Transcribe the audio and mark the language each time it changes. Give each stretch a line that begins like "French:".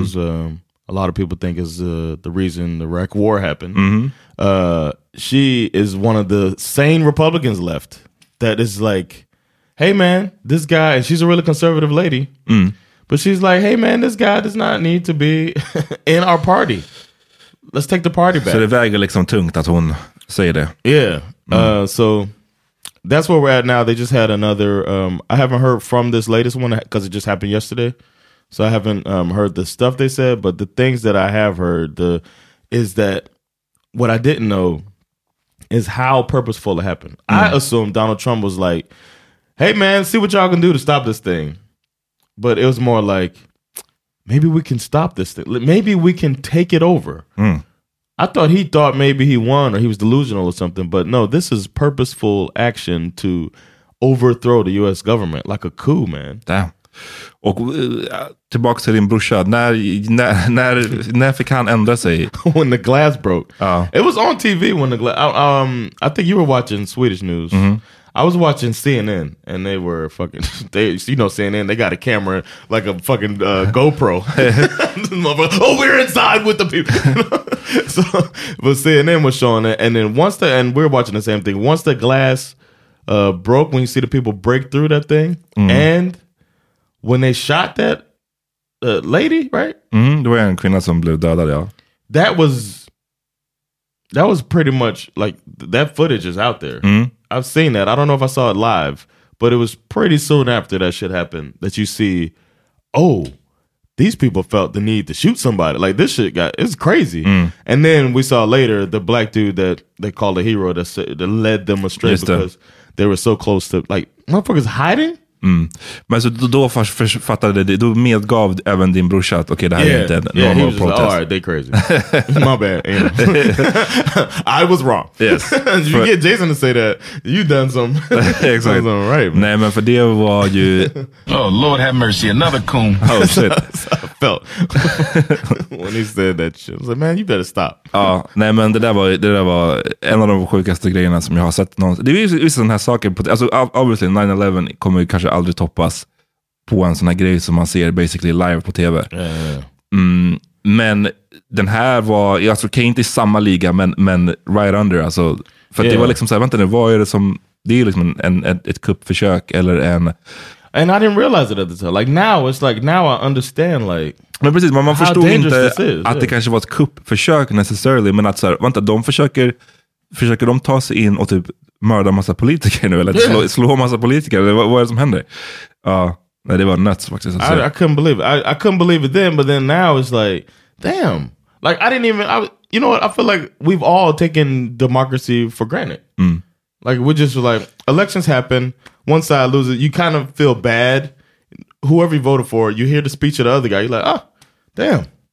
English: who's a lot of people think is the reason the Iraq War happened. Mm-hmm. She is one of the sane Republicans left that is like, hey man, this guy, and she's a really conservative lady, mm. but she's like, hey man, this guy does not need to be in our party. Let's take the party back.
Swedish: Så det väger liksom tungt att hon säger det. Yeah. Mm.
English: So that's where we're at now. They just had another, I haven't heard from this latest one because it just happened yesterday. So I haven't heard the stuff they said, but the things that I have heard is that what I didn't know is how purposeful it happened. Mm. I assumed Donald Trump was like, hey man, see what y'all can do to stop this thing. But it was more like, maybe we can stop this thing. Maybe we can take it over. Mm. I thought he thought maybe he won or he was delusional or something. But no, this is purposeful action to overthrow the U.S. government like a coup, man. Damn.
Swedish: Och tillbaka till din brorsa, när fick han ändra sig?
English: When the glass broke. It was on TV when the glass. I think you were watching Swedish news. Mm-hmm. I was watching CNN and they were fucking. They, you know, CNN. They got a camera like a fucking GoPro. Oh, we're inside with the people. So, but CNN was showing it, and then once the and we were watching the same thing. Once the glass broke, when you see the people break through that thing, mm-hmm. and when they shot that lady, right? Mm-hmm.
Swedish: Det var en kvinna som blev dödad, ja.
English: That was pretty much, like, that footage is out there. Mm-hmm. I've seen that. I don't know if I saw it live, but it was pretty soon after that shit happened that you see, oh, these people felt the need to shoot somebody. Like, this shit got, it's crazy. Mm. And then we saw later the black dude that they called a hero that led them astray just because they were so close to, like, motherfuckers hiding? Mm.
Swedish: Men så då fattade du, då medgav även din brorsa att okej, okay, det här yeah. är inte en normal
English: Yeah, he was just like, all right, they crazy. My bad. I was wrong. Yes. You get Jason to say that, you done something. Exactly. Done something right,
Swedish: man. Nej, men för det var ju...
English: Oh, Lord have mercy, another coon. Oh, shit. I felt when he said that shit. I was like, man, you better stop.
Swedish: Ja, nej, men det där var en av de sjukaste grejerna som jag har sett någonsin. Det är ju vissa sådana här saker. Alltså, obviously, 9/11 kommer ju kanske aldrig toppas på en sån här grej som man ser basically live på TV. Yeah. Mm, men den här var, jag tror inte i samma liga, men
English: right under.
Swedish: Alltså, för yeah. det var liksom så här, vänta nu, vad är det som, det är liksom ett kuppförsök eller en...
English: And I didn't realize it at the time. Like now, it's like now I understand like
Swedish: men precis, men man
English: how dangerous
Swedish: inte
English: this is.
Swedish: Att det kanske var ett kuppförsök necessarily, men att så här, vänta, de försöker de ta sig in och typ mörda massa politiker nu, eller slå massa politiker, eller vad är det som händer? Nej, det var nuts faktiskt.
English: I couldn't believe it. I couldn't believe it then, but then now it's like, damn. Like, I didn't even, you know what, I feel like we've all taken democracy for granted. Mm. Like, we're just like, elections happen, one side loses, you kind of feel bad, whoever you voted for, you hear the speech of the other guy, you're like, damn.